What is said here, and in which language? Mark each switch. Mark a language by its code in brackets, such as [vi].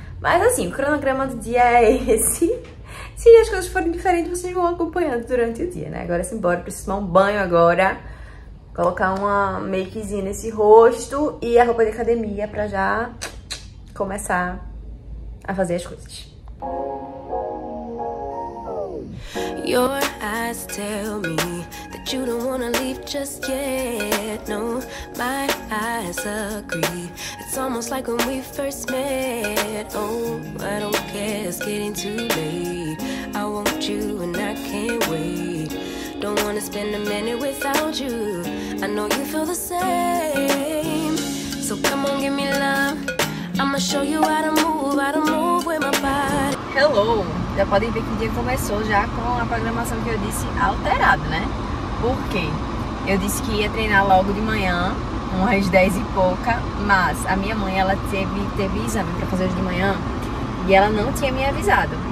[pt] Mas assim, o cronograma do dia é esse. Se as coisas forem diferentes, vocês vão acompanhando durante o dia, né? Agora sim, bora. Preciso tomar um banho agora. Colocar uma makezinha nesse rosto. E a roupa de academia pra já começar a fazer as coisas. [en] Your eyes tell me that you don't wanna leave just yet. No, my eyes agree. It's almost like when we first met. Oh, I don't care, it's getting too late. I want you and I can't wait. Don't wanna spend a minute without you. I know you feel the same. So come on, give me love. I'ma show you how to move with my body. Hello! [pt] Já podem ver que o dia começou já com a programação que eu disse alterada, né? Por quê? Eu disse que ia treinar logo de manhã, umas 10 e pouca, mas a minha mãe, ela teve exame pra fazer hoje de manhã e ela não tinha me avisado.